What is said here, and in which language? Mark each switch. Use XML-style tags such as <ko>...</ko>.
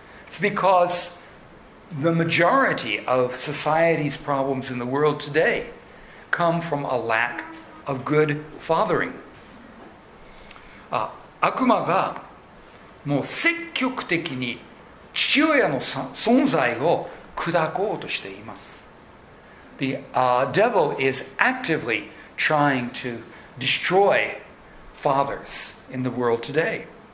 <en>It's because the majority of society's problems in the world today come from a lack of good fathering.</en> <ja>悪魔がもう積極的に父親の存在を砕こうとしています。</ja> <en>The devil is actively trying to destroy fathers in the world today.</en>